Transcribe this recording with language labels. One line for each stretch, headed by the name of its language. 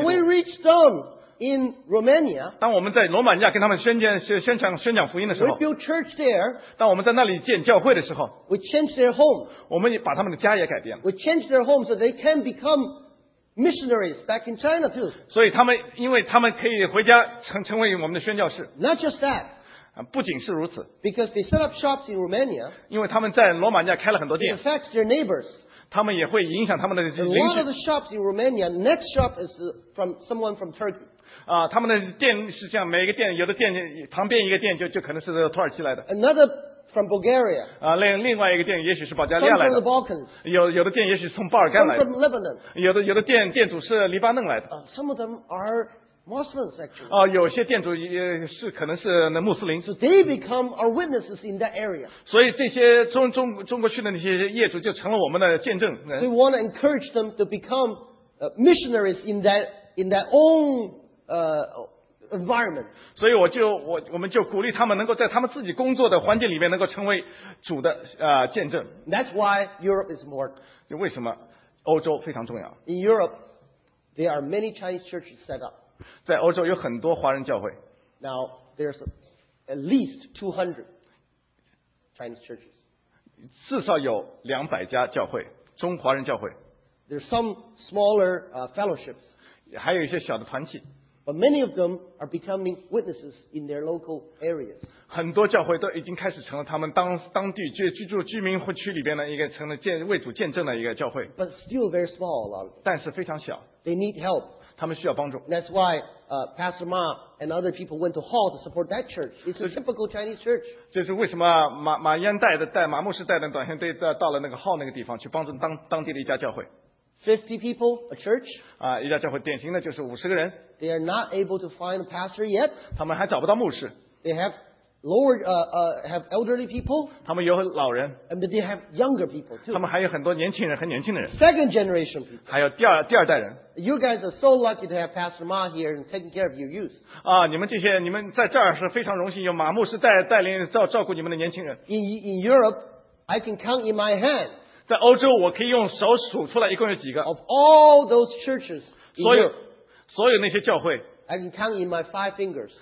English: When we reach them in Romania,
Chinese: 当我们在罗马尼亚跟他们宣讲福音的时候
English: ，we build church there.
Chinese: 当我们在那里建教会的时候
English: ，we change their home.
Chinese: 我们把他们的家也改变了。
English: We change their home so they can become missionaries back in China too.
Chinese: 所以他们，因为他们可以回家成为我们的宣教士。
English: Not just that.
Chinese: 不仅是如此。
English: Because they set up shops in Romania.
Chinese: 因为他们在罗马尼亚开了很多店。
English: It affects their neighbors.
Chinese: 他们也会影响他们的邻居。
English: A lot of the shops in Romania, next shop is from someone from Turkey.
Chinese: 啊，他们的店是这样，每个店有的店旁边一个店就可能是土耳其来的。
English: Another from Bulgaria.
Chinese: 啊，另外一个店也许是保加利亚来的。
English: From the Balkans.
Chinese: 有的店也许从巴尔干来的。
English: From Lebanon.
Chinese: 有的店主是黎巴嫩来的。
English: Some of them are Muslims actually.
Chinese: 啊，有些店主也是可能是穆斯林。
English: So they become our witnesses in that area.
Chinese: 所以这些中国去的那些业主就成了我们的见证人。
English: We want to encourage them to become missionaries in that own environment.
Chinese: 所以我们就鼓励他们能够在他们自己工作的环境里面能够成为主的见证。
English: That's why Europe is more.
Chinese: 就为什么欧洲非常重要。
English: In Europe, there are many Chinese churches set up.
Chinese: 在欧洲有很多华人教会。
English: Now there's at least 200 Chinese churches.
Chinese: 至少有200家教会，中华人教会。
English: There's some smaller fellowships.
Chinese: 还有一些小的团体。
English: But many of them are becoming witnesses in their local areas.
Chinese: 很多教会都已经开始成了他们当地居民区里边的一个成了为主见证的一个教会。
English: But still very small, a lot of them.
Chinese: 但是非常小。
English: They need help.
Chinese: 他们需要帮助。
English: That's why Pastor Ma and other people went to Hall to support that church. It's a typical Chinese church.
Chinese: 这是为什么马燕带马牧师带的短宣队到了那个 Hall 那个地方去帮助当地的一家教会。
English: 50 people, a church.
Chinese: 啊，一家教会典型的就是50个人。
English: They are not able to find a pastor yet.
Chinese: 他们还找不到牧师。
English: They have lower have elderly people.
Chinese: 他们有老人。
English: And they have younger people too.
Chinese: 他们还有很多年轻人，很年轻的人。
English: Second generation people.
Chinese: 还有第二代人。
English: You guys are so lucky to have Pastor Ma here and taking care of your youth.
Chinese: 啊，你们在这儿是非常荣幸，有马牧师带领照顾你们的年轻人。
English: In Europe, I can count in my hand.
Chinese: 在欧洲，我可以用手数出来一共有几个。
English: Of all those churches, Europe,
Chinese: 所有那些教会。
English: I can count in my five fingers.